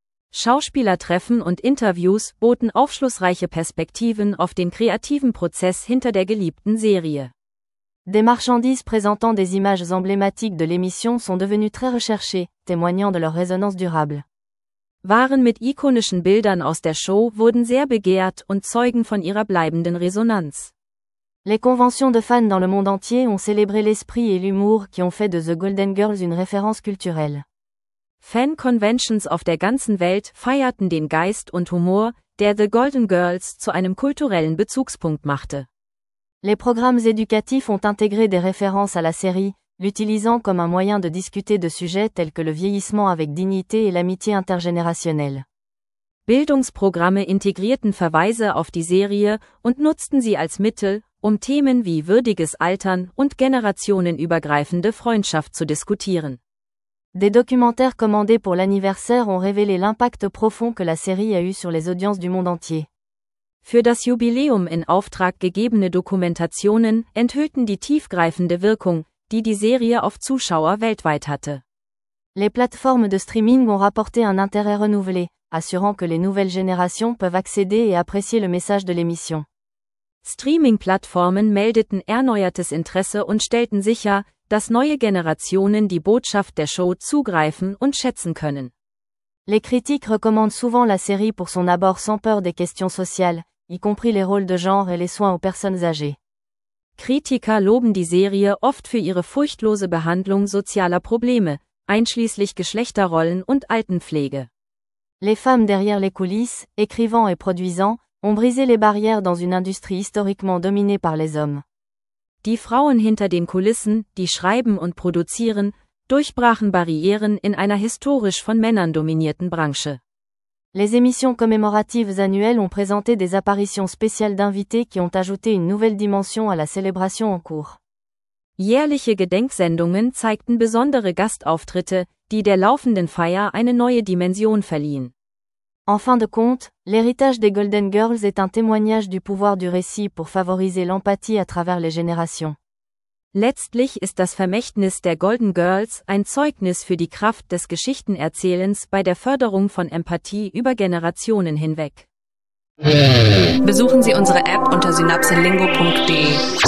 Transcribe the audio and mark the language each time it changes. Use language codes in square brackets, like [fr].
[de] Schauspielertreffen und Interviews boten aufschlussreiche Perspektiven auf den kreativen Prozess hinter der geliebten Serie. [fr] Des marchandises présentant des images emblématiques de l'émission sont devenues très recherchées, témoignant de leur résonance durable. [de] Waren mit ikonischen Bildern aus der Show wurden sehr begehrt und zeugen von ihrer bleibenden Resonanz. [fr] Les conventions de fans dans le monde entier ont célébré l'esprit et l'humour qui ont fait de The Golden Girls une référence culturelle. [de] Fan conventions auf der ganzen Welt feierten den Geist und Humor, der The Golden Girls zu einem kulturellen Bezugspunkt machte. [fr] Les programmes éducatifs ont intégré des références à la série, l'utilisant comme un moyen de discuter de sujets tels que le vieillissement avec dignité et l'amitié intergénérationnelle. [de] Bildungsprogramme intégrierten Verweise auf die Serie und nutzten sie als Mittel, um Themen wie würdiges Altern und generationenübergreifende Freundschaft zu diskutieren. [fr] Des documentaires commandés pour l'anniversaire ont révélé l'impact profond que la série a eu sur les audiences du monde entier. [de] Für das Jubiläum in Auftrag gegebene Dokumentationen enthüllten die tiefgreifende Wirkung, die die Serie auf Zuschauer weltweit hatte. [fr] Les plateformes de streaming ont rapporté un intérêt renouvelé, assurant que les nouvelles générations peuvent accéder et apprécier le message de l'émission. [de] Streaming-Plattformen meldeten erneuertes Interesse und stellten sicher, dass neue Generationen die Botschaft der Show zugreifen und schätzen können. [fr] Les critiques recommandent souvent la série pour son abord sans peur des questions sociales, y compris les rôles de genre et les soins aux personnes âgées. [de] Kritiker loben die Serie oft für ihre furchtlose Behandlung sozialer Probleme, einschließlich Geschlechterrollen und Altenpflege. [fr] Les femmes derrière les coulisses, écrivant et produisant, ont brisé les barrières dans une industrie historiquement dominée par les hommes. [de] Die Frauen hinter den Kulissen, die schreiben und produzieren, durchbrachen Barrieren in einer historisch von Männern dominierten Branche. [fr] Les émissions commémoratives annuelles ont présenté des apparitions spéciales d'invités qui ont ajouté une nouvelle dimension à la célébration en cours. [de] Jährliche Gedenksendungen zeigten besondere Gastauftritte, die der laufenden Feier eine neue Dimension verliehen. [fr] En fin de compte, l'héritage des Golden Girls est un témoignage du pouvoir du récit pour favoriser l'empathie à travers les générations. [de] Letztlich ist das Vermächtnis der Golden Girls ein Zeugnis für die Kraft des Geschichtenerzählens bei der Förderung von Empathie über Generationen hinweg. Besuchen Sie unsere App unter synapsenlingo.de.